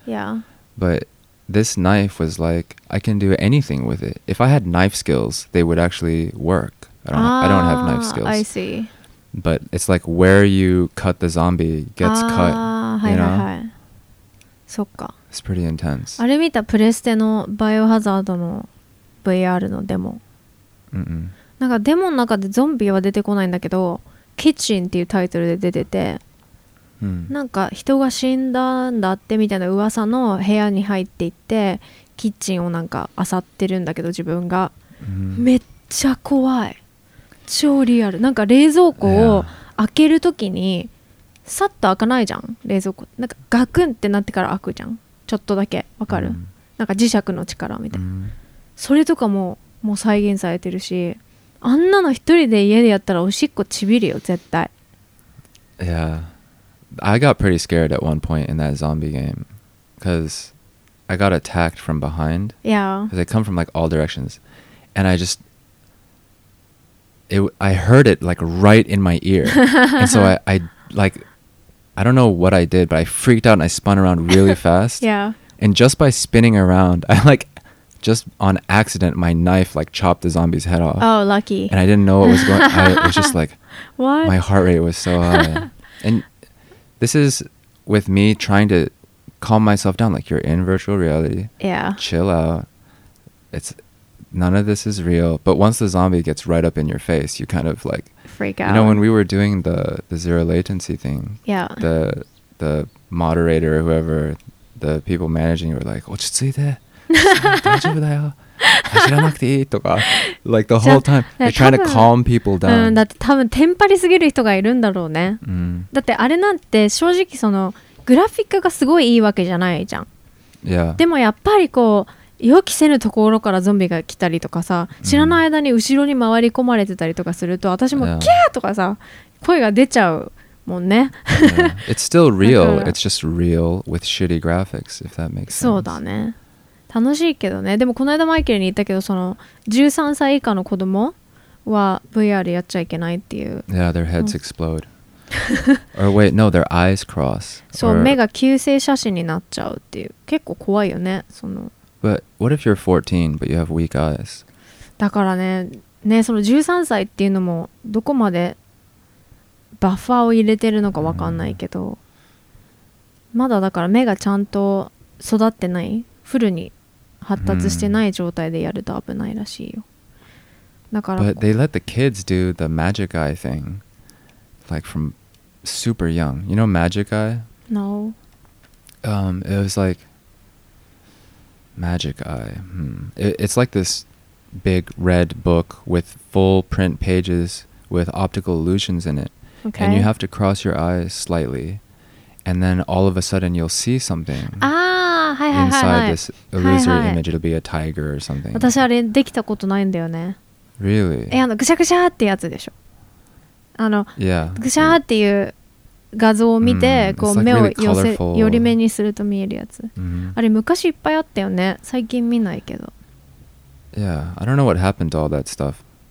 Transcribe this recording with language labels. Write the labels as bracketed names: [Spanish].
[English] Yeah. But this knife was like, I can do anything with it. If I had knife skills, they would actually work. I don't have knife skills. I see. But it's like where you cut the zombie gets cut. [Japanese] そっか. [English] It's pretty intense. [Japanese] あれ見た、プレステのバイオハザードの VR のデモ。なんかデモの中でゾンビは出てこないんだけど、キッチンっていうタイトルで出てて、なんか人が死んだんだってみたいな噂の部屋に入っていって、キッチンをなんか漁ってるんだけど自分が。めっちゃ怖い。超リアル。なんか冷蔵庫を開けるときに、さっと開かないじゃん冷蔵庫、なんかガクンってなってから開くじゃん、ちょっとだけ、わかる、なんか磁石の力みたいな、それとかももう再現されてるし、あんなの一人で家でやったらおしっこちびるよ絶対。 [English] Yeah, I got pretty scared at one point in that zombie game because I got attacked from behind. Yeah, because I come from like all directions and I justI heard it like right in my ear. And so I like, I don't know what I did, but I freaked out and I spun around really fast. Yeah. And just by spinning around, I like, just on accident, my knife like chopped the zombie's head off. Oh, lucky. And I didn't know what was going on. I was just like, what? My heart rate was so high. And this is with me trying to calm myself down. Like, you're in virtual reality. Yeah. Chill out. It's... None of this is real. But once the zombie gets right up in your face, you kind of like... Freak out. You know, when we were doing the zero latency thing, yeah. the moderator or whoever, the people managing were like, [Japanese] 落ち着いて。大丈夫だよ。走らなくていいとか。 [English] Like the whole time, they're trying to calm people down. [Japanese] だって多分テンパりすぎる人がいるんだろうね。だってあれなんて正直そのグラフィックがすごいいいわけじゃないじゃん。 [English] Yeah. [Japanese] でもやっぱりこう、予期せぬところからゾンビが来たりとかさ、知らない間に後ろに回り込まれてたりとかすると、私もキャーとかさ、声が出ちゃうもんね。 [English] Yeah. It's still real. It's just real with shitty graphics, if that makes sense. [Japanese] そうだね。楽しいけどね。でもこの間マイケルに言ったけど、その13歳以下の子供は VR やっちゃいけないっていう。 [English] Yeah, their heads explode. Or wait, no, their eyes cross. [Japanese] そう、目が救世写真になっちゃうっていう。結構怖いよね、その。 [English] But what if you're 14 but you have weak eyes? [Japanese] だからね、ね、その13歳っていうのもどこまでバッファーを入れてるのかわかんないけど、まだだから目がちゃんと育ってない、フルに発達してない状態でやると危ないらしいよ。だから、 [English] But they let the kids do the magic eye thing like from super young. You know magic eye? No. It was likeMagic Eye. It's like this big red book with full print pages with optical illusions in it. Okay. And you have to cross your eyes slightly. And then all of a sudden you'll see something inside this illusory image. It'll be a tiger or something. [Japanese] 私あれできたことないんだよね。 [English] Really? [Japanese] え、あのぐしゃぐしゃってやつでしょ。あの、 [English] yeah. [Japanese] ぐしゃっていう画像を見て、こう目を寄せ、寄り目にすると見えるやつ。あれ昔いっぱいあったよね。最近見ないけど。 [English] Yeah, I don't know what happened to all that stuff.